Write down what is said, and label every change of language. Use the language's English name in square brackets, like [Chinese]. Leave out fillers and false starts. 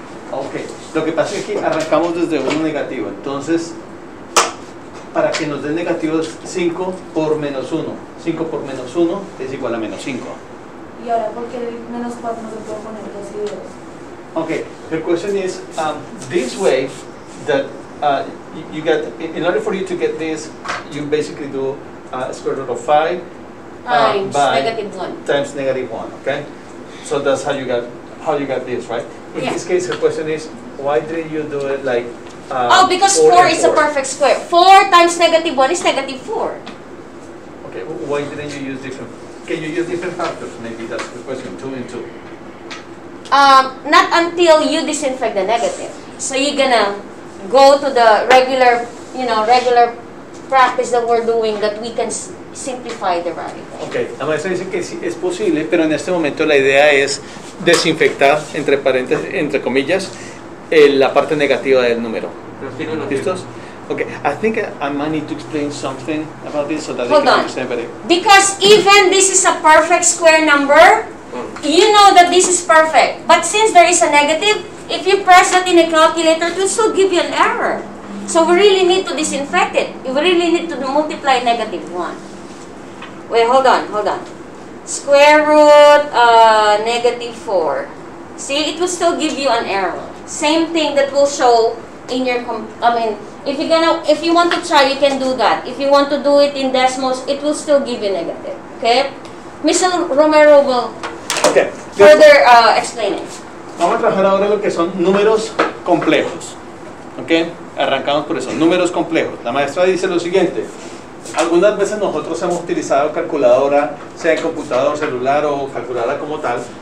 [Spanish] Ok, lo que pasa es que arrancamos desde uno negativo, entonces para que nos dé negativo es 5 por menos 1. 5 por menos 1 es igual a menos 5. ¿Y ahora por qué menos 4 no se puede poner 2 y 2? [English] Ok, the question is, this way that you get, in order for you to get this, you basically do square root of 5 by negative 1. Times negative 1, okay? So that's how you got this, right? In this case, the question is, why didn't you do it like Because 4 is a perfect square. 4 times negative 1 is negative 4. Okay, why didn't you use different, can you use different factors? Maybe that's the question, 2 and 2. Not until you disinfect the negative. So you're gonna go to the regular, you know, regular practice that we're doing that we can simplify the radical. [Spanish] Okay, la maestra dice que sí, es posible, pero en este momento la idea es desinfectar, entre paréntesis, entre comillas, la parte negativa del número. ¿Listos? [English] Okay, I think I might need to explain something about this so that hold they can on. Understand better. Because even this is a perfect square number, you know that this is perfect, but since there is a negative, if you press that in a calculator, it will still give you an error. So we really need to disinfect it. We really need to multiply negative 1. Wait, hold on. Square root negative 4. See, it will still give you an error. Same thing that will show in your, if you want to try, you can do that. If you want to do it in decimals, it will still give you negative. Okay? Mr. Romero will further explain it. [Spanish] Vamos a trabajar ahora lo que son números complejos. ¿Ok? Arrancamos por eso. Números complejos. La maestra dice lo siguiente. Algunas veces nosotros hemos utilizado calculadora, sea en computador, celular o calculadora como tal.